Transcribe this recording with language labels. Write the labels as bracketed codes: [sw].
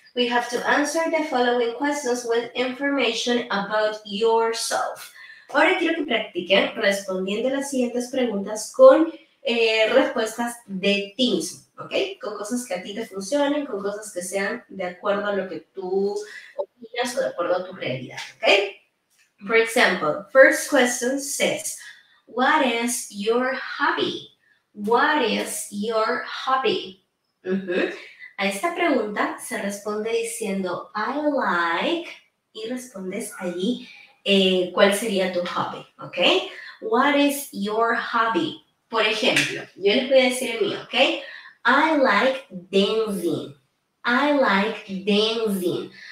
[en] We have to answer the following questions with information about yourself. [es] Ahora quiero que practiquen respondiendo las siguientes preguntas con respuestas de ti mismo, ¿ok? Con cosas que a ti te funcionen, con cosas que sean de acuerdo a lo que tú opinas o de acuerdo a tu realidad, ¿ok? [en] For example, first question says, what is your hobby? What is your hobby? [es] A esta pregunta se responde diciendo I like y respondes allí cuál sería tu hobby, ¿ok? [en] What is your hobby? [es] Por ejemplo, yo les voy a decir el mío, ¿ok? [en] I like dancing. I like dancing.